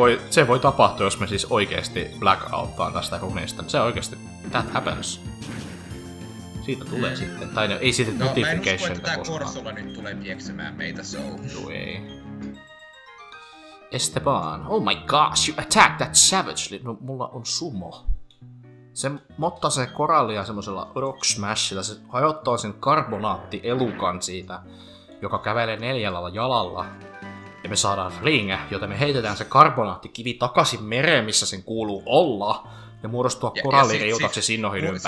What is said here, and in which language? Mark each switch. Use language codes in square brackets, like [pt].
[fi] se voi tapahtua, jos me siis oikeesti blackouttaan tästä runeista. Se oikeesti, [en] that happens. [fi] Siitä tulee sitten. Tai ei siitä notification. No mä en usko, että tää korsola nyt tulee pieksemään meitä, so. Ei. [en] Esteban, oh my gosh, you attack that savagely. [fi] No, mulla on sumo. Se mottaa se korallia semmoisella rock smashilla, se hajottaa sen karbonaattielukan siitä, joka kävelee 4 jalalla. Ja me saadaan ringe, joten me heitetään se karbonaattikivi takaisin mereen, missä sen kuuluu olla, ja muodostua koralliriutaksi sinnohin ympärillä.